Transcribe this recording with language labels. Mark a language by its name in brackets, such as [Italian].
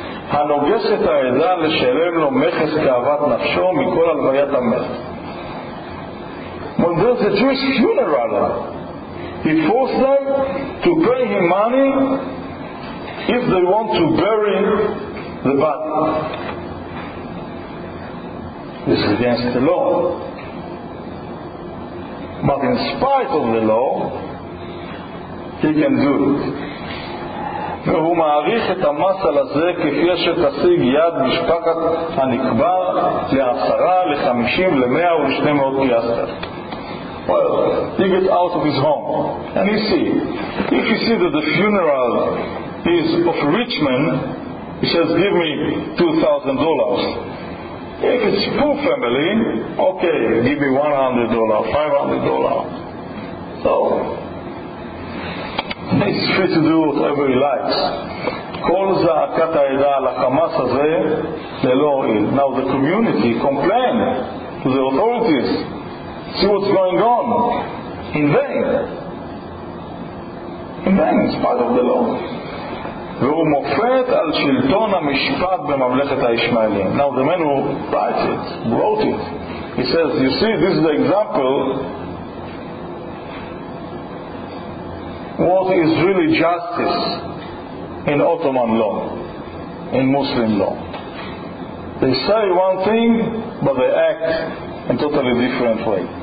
[Hebrew] הנוגס את העדה לשלם לו מכס כאוות נפשו מכל הלוויית המת. [English] When there's a Jewish funeral, he forced them to pay him money if they want to bury the body. This is against the law. But in spite of the law, he can do it. [Hebrew] והוא מעריך את המסל הזה כפי שתשיג יד משפחת הנקבר לעשרה, לחמישים, למאה ולשני מאות פיאסטר. [English] Well, he gets out of his home. And he see. If he see that the funeral is of a rich man, he says, give me $2,000. If it's poor family, okay, give me $100, $500. So, he's free to do whatever he likes. [Hebrew] כל זעקת העדה על החמאס הזה ללא הועיל. [English] Now the community complained to the authorities. See what's going on. In vain. In vain, in spite of the law. [Hebrew] והוא מופת על שלטון המשפט בממלכת הישמעאלים. [English] Now the man who writes it, wrote it, he says, you see, this is the example what is really justice in Ottoman law, in Muslim law. They say one thing, but they act in a totally different way.